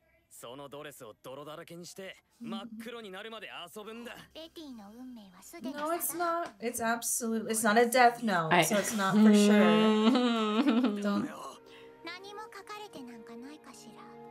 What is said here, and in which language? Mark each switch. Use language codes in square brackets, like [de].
[ja] そのドレスを泥だらけにして真っ黒になるまで遊ぶんだ。ベティの運命はすで [en] に。No, it's not. It's absolutely. It's not a death note, so it's not for sure. [ja] どうよ。何も書かれてなんかないかしら。